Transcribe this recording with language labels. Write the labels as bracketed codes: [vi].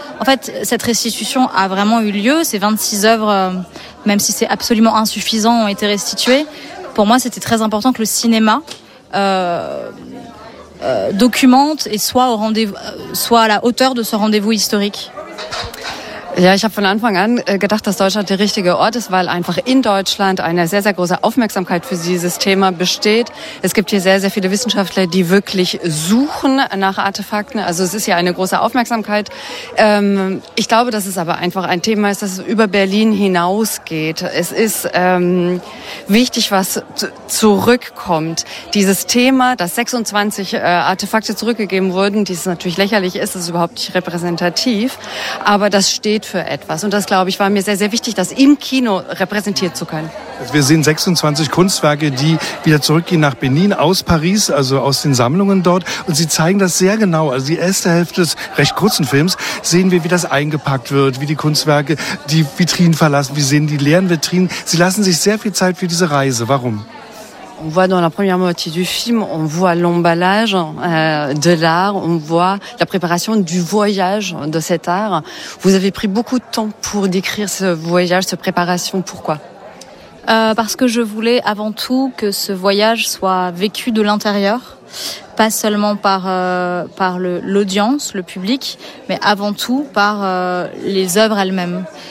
[fr] En fait, cette restitution a vraiment eu lieu. Ces 26 œuvres, même si c'est absolument insuffisant, ont été restituées. Pour moi, c'était très important que le cinéma documente et soit au rendez-vous, soit à la hauteur de ce rendez-vous historique. [de] Ja, ich habe von Anfang an gedacht, dass Deutschland der richtige Ort ist, weil einfach in Deutschland eine sehr, sehr große Aufmerksamkeit für dieses Thema besteht. Es gibt hier sehr, sehr viele Wissenschaftler, die wirklich suchen nach Artefakten. Also es ist hier eine große Aufmerksamkeit. Ich glaube, dass es aber einfach ein Thema ist, dass es über Berlin hinausgeht. Es ist wichtig, was zurückkommt. Dieses Thema, dass 26 Artefakte zurückgegeben wurden, die es natürlich lächerlich ist, ist überhaupt nicht repräsentativ, aber das steht für etwas. Und das, glaube ich, war mir sehr, sehr wichtig, das im Kino repräsentiert zu können. Also wir sehen 26 Kunstwerke, die wieder zurückgehen nach Benin aus Paris, also aus den Sammlungen dort. Und sie zeigen das sehr genau. Also die erste Hälfte des recht kurzen Films sehen wir, wie das eingepackt wird, wie die Kunstwerke die Vitrinen verlassen. Wir sehen die leeren Vitrinen. Sie lassen sich sehr viel Zeit für diese Reise. Warum? [fr] On voit dans la première moitié du film, on voit l'emballage de l'art, on voit la préparation du voyage de cet art. Vous avez pris beaucoup de temps pour décrire ce voyage, cette préparation. Pourquoi ? Parce que je voulais avant tout que ce voyage soit vécu de l'intérieur, pas seulement par l'audience, le public, mais avant tout par les œuvres elles-mêmes.